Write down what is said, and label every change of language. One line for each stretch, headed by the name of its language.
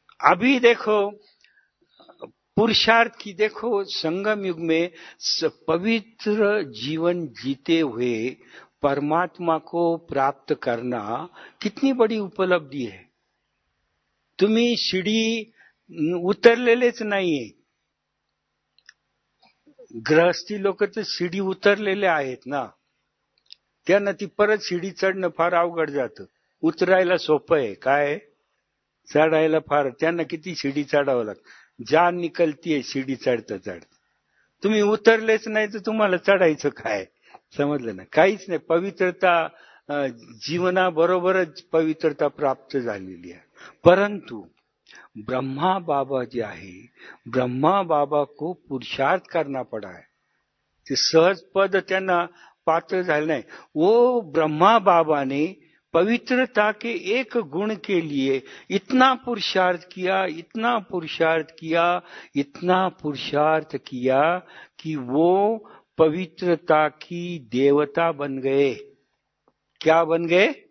Hindi: अभी देखो पुरुषार्थ की, देखो संगम युग में पवित्र जीवन जीते हुए परमात्मा को प्राप्त करना कितनी बड़ी उपलब्धि है.
Marathi: तुम्ही सीढ़ी उतरलेलेच नाहीये, गृहस्थी लोक तर सीढ़ी उतरलेले आहेत ना, त्यांना ती परत सीढ़ी चढ़ने फार अवघड जातं. उतरायला सोपं आहे, काय चढायला फार, त्यांना किती सीढ़ी चढावं लागतं,
Hindi: जान निकलतीये सीढ़ी चढ़ता चढ़ता.
Marathi: तुम्ही उतरलेच नाही तर तुम्हाला चढायचं काय, समजलं ना, काहीच नाही. पवित्रता जीवनाबरोबरच पवित्रता प्राप्त झालेली आहे. परंतु ब्रह्मा बाबा जे आहे,
Hindi: ब्रह्मा बाबा को पुरुषार्थ करना पड़ा है,
Marathi: ते सहज पद त्यांना पात्र झाले नाही.
Hindi: वो ब्रह्मा बाबा ने पवित्रता के एक गुण के लिए इतना पुरुषार्थ किया, इतना पुरुषार्थ किया, इतना पुरुषार्थ किया कि वो पवित्रता की देवता बन गए. क्या बन गए?